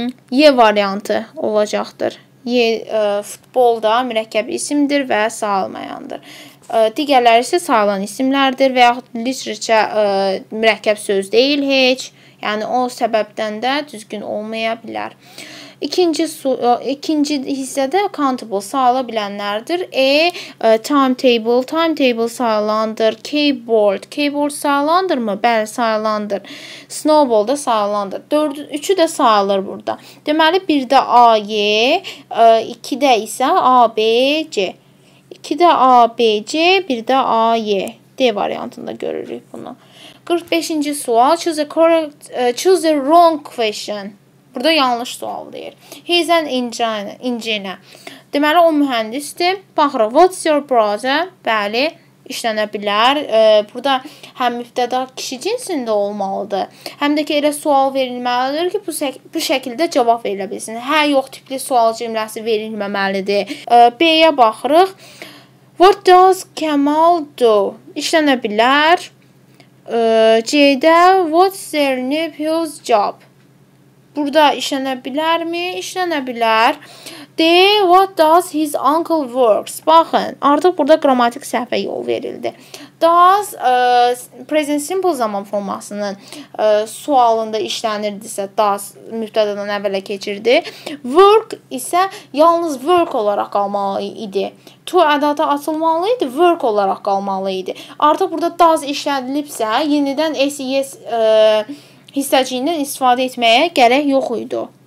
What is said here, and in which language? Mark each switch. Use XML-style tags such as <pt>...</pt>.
<az>Y variantı olacaqdır. Y futbolda mürəkkəb isimdir və sayılmayandır. Digərləri isə sayılan isimlərdir və yaxud literature mürəkkəb söz deyil heç. Yəni o səbəbdən də düzgün olmaya bilər. İkinci hissədə countable sayıla bilənlərdir. E timetable, timetable sayılandır. Keyboard, keyboard sayılandır mı? Bəli, sayılandır. Snowball da sayılandır. 4 3-ü də sayılır burada. Deməli 1-də A, Y, 2-də isə A, B, C. 2-də A, B, C, 1-də A, Y. D variantında görürük bunu. 45-ci sual.</az> <en>Choose a wrong question.</en> <az>Burada yanlış sual deyir.</az> <en>He's an engineer.</en> <az>Deməli, o mühəndisdir.</az> <en>Baxırıq, what's your brother?</en> <az>Bəli, işlənə bilər. Burada həm mübtədə kişi cinsində olmalıdır. Həm də ki, elə sual verilməlidir ki, bu şəkildə cavab verilə bilsin. Hə, yox tipli sual cümləsi verilməməlidir. B-yə baxırıq.</az> <en>What does Kemal do?</en> <az>İşlənə bilər. C-də</az> <en>what's their nephew's job?</en> <az>Burada işlənə bilərmi? İşlənə bilər. D.</az> <en>What does his uncle works?</en> <az>Baxın, artıq burada qrammatik səhvə yol verildi. Does present simple zaman formasının sualında işlənirdisə, does mübtədədən əvvələ keçirdi. Work isə yalnız work olaraq qalmalı idi. To ədata atılmalı idi, work olaraq qalmalı idi. Artıq burada does işlədilibsə, yenidən SES hissəciyindən istifadə etməyə gərək yox idi.</az>